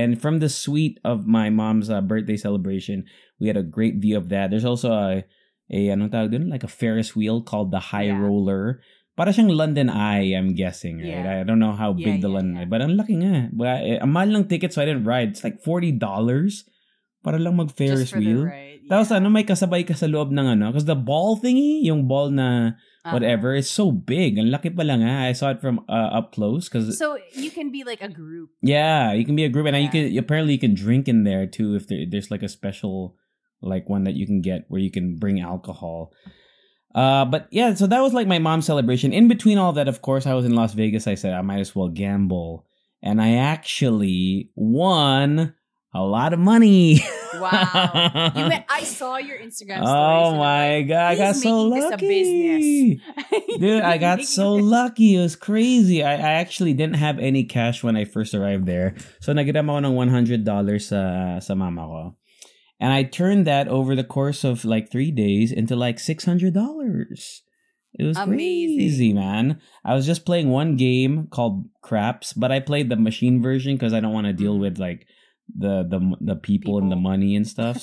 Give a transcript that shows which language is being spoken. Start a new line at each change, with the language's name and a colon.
English: And from the suite of my mom's birthday celebration, we had a great view of that. There's also a Ferris wheel called the High Roller.
Filipino: Para siyang
English: London Eye, I'm guessing. Right? Yeah. I don't know how big the London Eye, but
Filipino: ang laki nga.
English: But
Filipino: mahal lang
English: ticket, so I didn't ride. It's like $40
Filipino: para lang mag
English: Ferris wheel.
Filipino: Tapos ano, may kasabay ka sa loob ng ano.
English: Because the ball thingy,
Filipino: yung ball na
English: whatever, is so big.
Filipino: Ang laki pala nga.
English: I saw it from up close. So you can be like a group. Yeah, you can be a group. And you can apparently drink in there too if there's like a special like one that you can get where you can bring alcohol. But yeah, so that was like my mom's celebration. In between all that, of course, I was in Las Vegas. I said I might as well gamble. And I actually won a lot of money. Wow. I saw your Instagram stories. Oh my God. I got so lucky. Dude, I got so lucky. It was crazy. I actually didn't have any cash when I first arrived there.
Filipino: So nagdala ako ng $100 sa mama ko.
English: And I turned that over the course of like 3 days into like $600. It was crazy, man. I was just playing one game called Craps, but I played the machine version because I don't want to deal with like the people and the money and stuff.